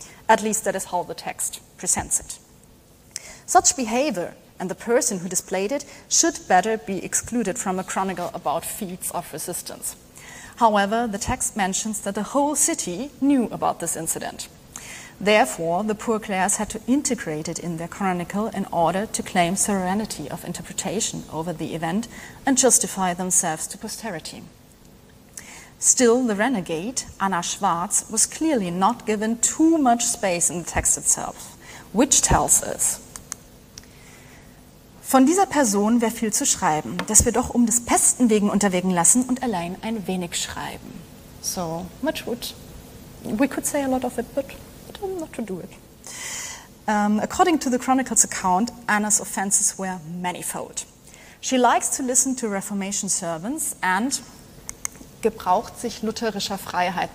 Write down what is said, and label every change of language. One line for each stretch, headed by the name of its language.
English: At least that is how the text presents it. Such behavior and the person who displayed it should better be excluded from a chronicle about feats of resistance. However, the text mentions that the whole city knew about this incident. Therefore, the Poor Clares had to integrate it in their chronicle in order to claim serenity of interpretation over the event and justify themselves to posterity. Still, the renegade, Anna Schwarz, was clearly not given too much space in the text itself, which tells us,
German: von dieser Person wäre viel zu schreiben, dass wir doch um des Pesten wegen unterwegen lassen und allein ein wenig schreiben.
English: So much would, we could say a lot of it, but I'm not to do it. According to the Chronicle's account, Anna's offenses were manifold. She likes to listen to Reformation sermons and
German: gebraucht sich lutherischer Freiheit.